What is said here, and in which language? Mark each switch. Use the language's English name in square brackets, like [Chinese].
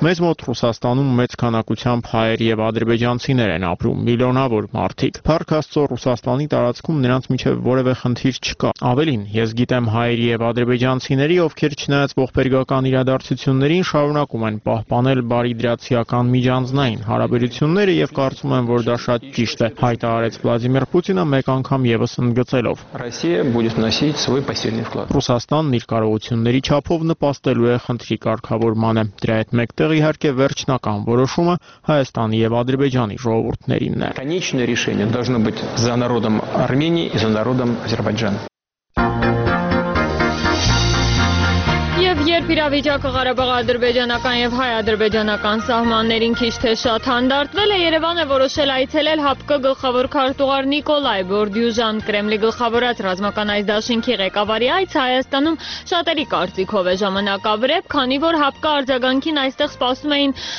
[Armenian] Մեծ մոտ Ռուսաստանում մեծ քանակությամբ հայեր եւ ադրբեջանցիներ են ապրում, միլիոնավոր մարդիկ։ Փառք Աստծո, Ռուսաստանի տարածքում նրանց միջև որևէ խնդիր չկա։ Ավելին, ես գիտեմ հայեր եւ ադրբեջանցիների, ովքեր չնայած ողբերգական իրադարձություններին շարունակում են պահպանել բարիդրացիական միջանձնային հարաբերությունները, եւ կարծում եմ, որ դա շատ ճիշտ է, հայտարարեց Վլադիմիր Պուտինը մեկ անգամ եւս ընդգծելով։ [Russian] Ռուսիա будет вносить свой посильный вклад։ [Armenian] Ռուսաստանն իր կարողությունների չափով նպաստելու է խնդրի կարգավորմանը։ Դրա հետ մեկտեղ իհարկե վերջնական որոշումը Հայաստանի եւ Ադրբեջանի ժողովուրդներինն է։ [Russian] Конечное решение должно быть за народом Армении и за народом Азербайджана։ [Armenian] Երբ իրավիճակը Ղարաբաղ-ադրբեջանական եւ հայ-ադրբեջանական սահմաններին քիչ թե շատ հանդարտվել է, Երևանը որոշել այցելել ՀԱՊԿ գլխավոր քարտուղար Նիկոլայ Բորդյուժան, Կրեմլի գլխավորած ռազմական այցդաշինքի ղեկավարի այց Հայաստանում շատերի կարծիքով է ժամանակավրեպ, քանի որ ՀԱՊԿ արձագանքին այստեղ սպասում էին